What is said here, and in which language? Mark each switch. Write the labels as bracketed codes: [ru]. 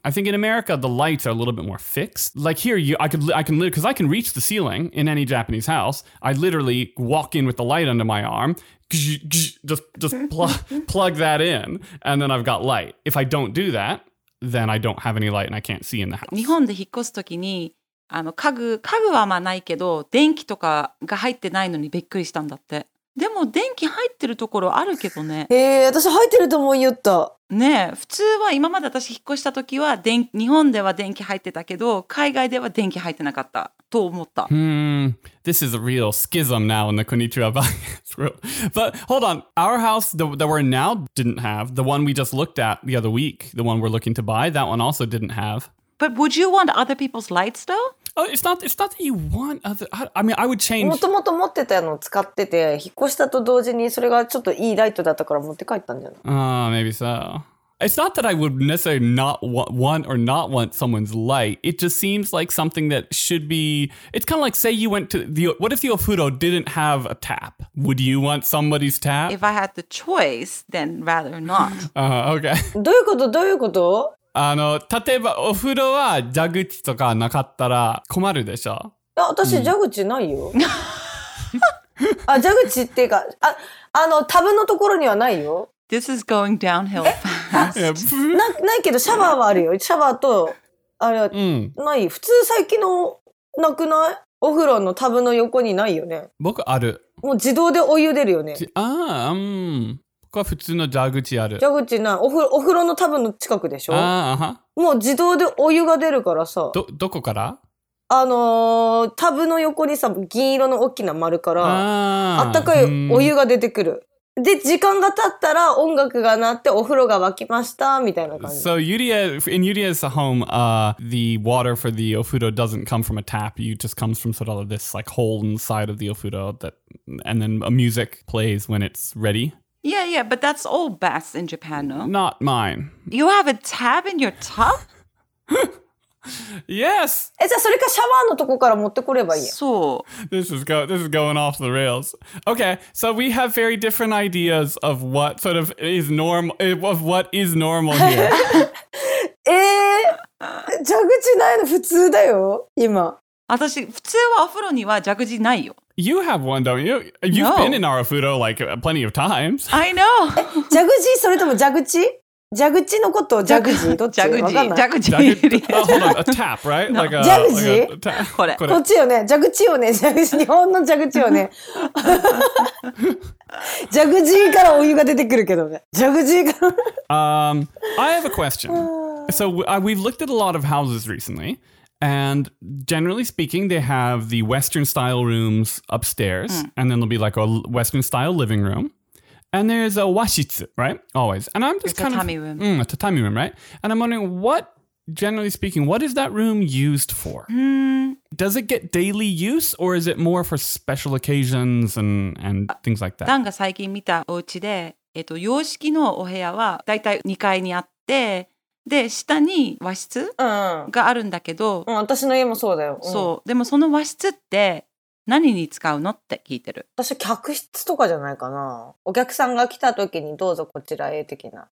[en] I think in America, the lights are a little bit more fixed. Like here, I can reach the ceiling in any Japanese house. I literally walk in with the light under my arm, just plug that in, and then I've got light. If I don't do that, then I don't have any light and I can't see in the house. [ja] 日本で引っ越すときに、家具はまあないけど、電気とかが入ってないのにびっくりしたんだって。でも電気入ってるところあるけどね。私入ってると思い言った。ねえ、普通は今まで私引っ越した時は電日本では電気入ってたけど、海外では電気入ってなかったと思った。 Hmm. [en] This is a real schism now in the Konnichiwa Valley. But hold on, our house that we're in now didn't have. The one we just looked at the other week, the one we're looking to buy, that one also didn't have. But would you want other people's lights though? Oh, it's not that you want other... I mean, I would change... [ja] もともと持ってたのを使ってて、引っ越したと同時にそれがちょっといいライトだったから持って帰ったんじゃない [en] ? Oh, maybe so. It's not that I would necessarily not want or not want someone's light. It just seems like something that should be... It's kind of like, say you went to... What if the ofuro didn't have a tap? Would you want somebody's tap? If I had the choice, then rather not. Okay. [ja] どういうこと?どういうこと? あの例えばお風呂は蛇口とかなかったら困るでしょ。あ、私蛇口ないよ。あ、蛇口っていうか、あのタブのところにはないよ。 [en] This is going downhill fast. [ja] ないけどシャワーはあるよ。シャワーとあれは、うん、ない。普通最近のなくない？お風呂のタブの横にないよね。僕ある。もう自動でお湯出るよね。ああ、うん。ここは普通の蛇口ある。蛇口ない。お風呂の多分の近くでしょ。ああ、はもう自動でお湯が出るからさ。どこから？タブの横にさ、銀色の大きな丸から あったかいお湯が出てくる。で、時間が経ったら音楽が鳴ってお風呂が沸きましたみたいな感じ。 [en] So Yuria, in Yuria's home, the water for the ofuro doesn't come from a tap. It just comes from sort of this like hole inside of the ofuro that, and then a music plays when it's ready Yeah, yeah, but that's all baths in Japan, no? Not mine. You have a tab in your tub? Yes! [ja] え、じゃあそれかシャワーのとこから持ってこればいいや。そう。 [en] This is going off the rails. Okay, so we have very different ideas of what sort of is normal, of what is normal here. [ja] え、蛇口ないの普通だよ、今。私、普通はお風呂には蛇口ないよ。 [en] You have one, don't you? You've been in Arafuro like plenty of times. I know. [ja] え、蛇口それとも蛇口？蛇口のこと蛇口？どっち？蛇口。蛇口。 [en] Hold on, a tap, right? No. Like a, 蛇口？Like a tap. [ja] これ。こっちよね。蛇口よね。蛇口。日本の蛇口よね。蛇口からお湯が出てくるけどね。蛇口から。 [en] I have a question. So we've looked at a lot of houses recently. And generally speaking, they have the Western style rooms upstairs, and then there'll be like a Western style living room. And there's a washitsu, right? Always. And I'm just kind of... tatami room. A tatami room, right? And I'm wondering what, generally speaking, what is that room used for? Does it get daily use or is it more for special occasions and things like that? [ja] ダンが最近見たお家で、洋式のお部屋はだいたい2階にあって、で、下に和室、うん、があるんだけど、うん、私の家もそうだよ、うん、そう、でもその和室って何に使うのって聞いてる。私客室とかじゃないかな。お客さんが来た時にどうぞこちらへ的な。